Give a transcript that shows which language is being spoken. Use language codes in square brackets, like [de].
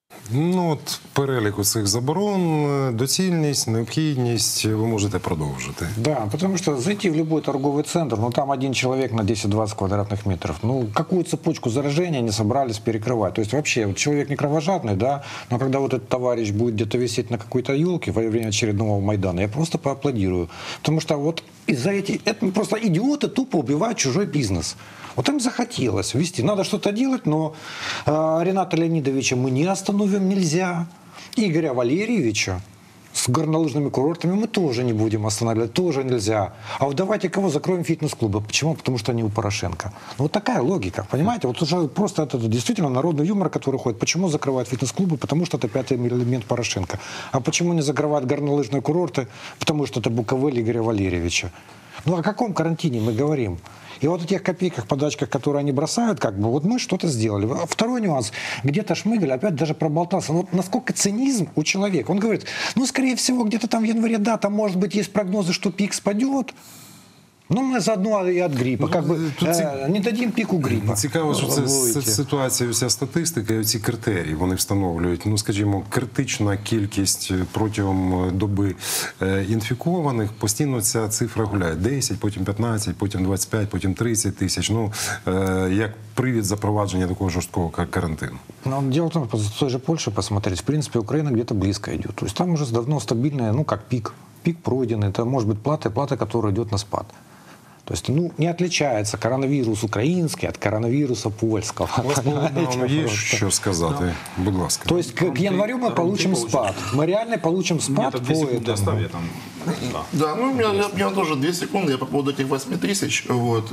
[uk] Ну от перелік усіх заборон, доцільність, необхідність, ви можете продовжити. Да, тому що зайти в будь-який торговий центр, ну там один чоловік на 10-20 квадратних метрів. Ну, яку цепочку зараження не збиралися перекривати? Тобто, взагалі, чоловік не кровожадний, да? Но коли [ru] вот этот товарищ будет где-то висеть на какой-то ёлке во время очередного Майдана, я просто поаплодирую. [uk] Тому що [ru] вот из-за этих просто идиоты тупо убивают чужой бизнес. Вот им захотелось вести. Надо что-то делать, но Рената Леонидовича мы не остановим, нельзя. Игоря Валерьевича с горнолыжными курортами мы тоже не будем останавливать, тоже нельзя. А вот давайте кого закроем фитнес-клубы. Почему? Потому что они у Порошенко. Ну, вот такая логика, понимаете? Вот уже просто это действительно народный юмор, который ходит. Почему закрывают фитнес-клубы? Потому что это пятый элемент Порошенко. А почему не закрывают горнолыжные курорты? Потому что это Буковель Игоря Валерьевича. Ну о каком карантине мы говорим? И вот о тех копейках, подачках, которые они бросают, как бы, вот мы что-то сделали. Второй нюанс. Где-то Шмыгаль опять даже проболтался. Вот насколько цинизм у человека. Он говорит, ну, скорее всего, где-то там в январе, да, там, может быть, есть прогнозы, что пик спадет. [uk] Ну, ми заодно і від грипу, як би, не дадим піку грипу. Цікаво, що це ситуація, вся статистика і ці критерії, вони встановлюють, ну, скажімо, критична кількість протягом доби інфікованих, постійно ця цифра гуляє. 10, потім 15, потім 25, потім 30 тисяч, ну, як привід запровадження такого жорсткого карантину. Ну, діло в тому, що той же Польщі [ru] посмотреть, [uk] в принципі, Україна где-то близько йде. Тобто там вже давно стабільний, ну, як пік. Пік пройдений, це може бути плата, яка йде на спад. [ru] То есть, ну, не отличается коронавирус украинский от коронавируса польского. Есть еще сказать, [uk] будь ласка. [ru] То есть, к январю мы получим спад. Мы реально получим спад по этому. Да, ну, у меня тоже 2 секунды. Я по поводу этих 8 тысяч. Вот.